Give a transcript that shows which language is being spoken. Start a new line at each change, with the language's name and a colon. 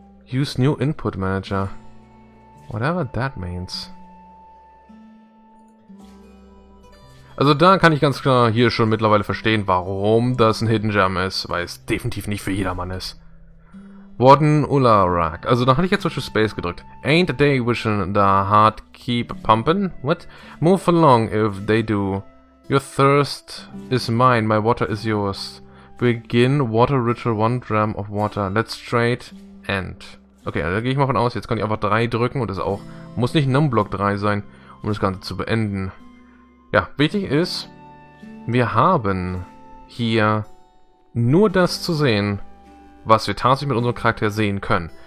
English: Use new input manager. Whatever that means.
German: Also da kann ich ganz klar hier schon mittlerweile verstehen, warum das ein Hidden Gem ist, weil es definitiv nicht für jedermann ist. Warden Ullarak. Also da hatte ich jetzt zum Beispiel Space gedrückt.
English: Ain't a day wishing the heart keep pumping? What? Move along if they do. Your thirst is mine, my water is yours. Begin water ritual, one dram of water. Let's trade end.
German: Okay, da gehe ich mal von aus. Jetzt kann ich einfach 3 drücken und das auch. Muss nicht Numblock 3 sein, um das Ganze zu beenden. Ja, wichtig ist, wir haben hier nur das zu sehen, was wir tatsächlich mit unserem Charakter sehen können.